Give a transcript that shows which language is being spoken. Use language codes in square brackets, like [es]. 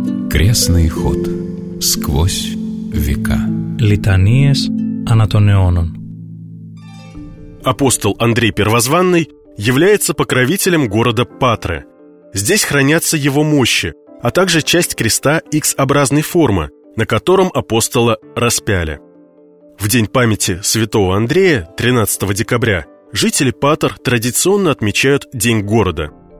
[ru] Крестный ход сквозь века. [el] Λιτανίες ανά των αιώνων. [ru] Апостол Андрей Первозванный является покровителем города Патры. Здесь хранятся его мощи, а также часть креста X-образной формы, на котором апостола распяли. В день памяти святого Андрея, 13 декабря, жители Патр традиционно отмечают День города.